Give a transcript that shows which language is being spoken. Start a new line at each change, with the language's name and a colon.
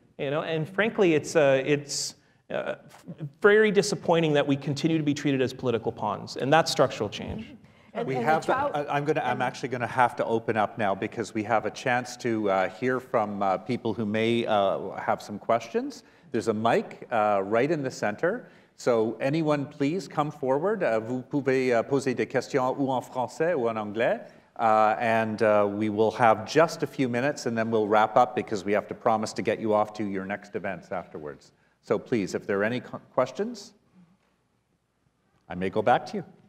English: You know, and frankly, it's very disappointing that we continue to be treated as political pawns, and that's structural change. I'm actually going to have to open up now, because we have a chance to hear from people who may have some questions. There's a mic right in the center. So anyone, please come forward.
French: Vous pouvez poser des questions ou en français ou en anglais.
English: And we will have just a few minutes, and then we'll wrap up, because we have to promise to get you off to your next events afterwards. So please, if there are any questions, I may go back to you.